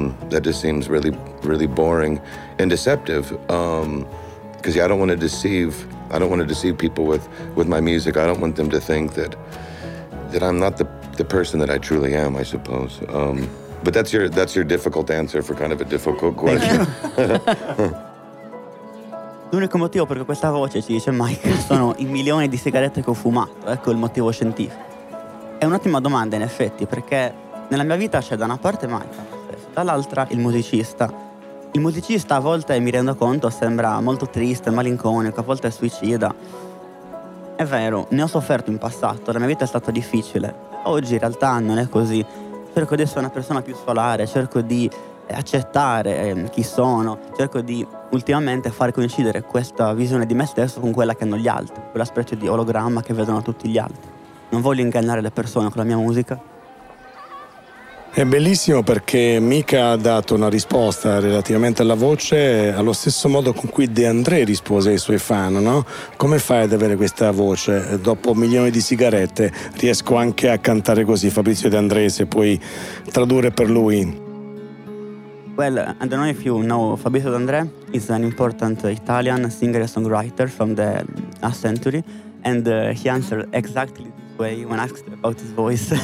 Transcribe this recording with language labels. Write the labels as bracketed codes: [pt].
[en] That just seems really, really boring and deceptive, because I don't want to deceive. I don't want to deceive people with my music. I don't want them to think that I'm not the person that I truly am, I suppose. But that's your difficult answer for kind of a difficult question. [it] L'unico motivo per cui questa voce ci dice Mike sono i milioni di sigarette che ho fumato, ecco il motivo scientifico. È un'ottima domanda, in effetti, perché nella mia vita c'è da una parte Mike, dall'altra il musicista. A volte, mi rendo conto, sembra molto triste, malinconico, a volte è suicida. È vero, ne ho sofferto in passato, la mia vita è stata difficile. Oggi in realtà non è così. Cerco di essere una persona più solare, cerco di accettare chi sono, cerco di ultimamente far coincidere questa visione di me stesso con quella che hanno gli altri, quella specie di ologramma che vedono tutti gli altri. Non voglio ingannare le persone con la mia musica. È bellissimo, perché Mika ha dato una risposta relativamente alla voce allo stesso modo con cui De André rispose ai suoi fan, no? Come fai ad avere questa voce? Dopo milioni di sigarette riesco anche a cantare così. Fabrizio De André, se puoi tradurre per lui. [en] Well, I don't know if you know Fabrizio De André. He's an important Italian singer and songwriter from the last century, and he answered exactly way when asked about his voice.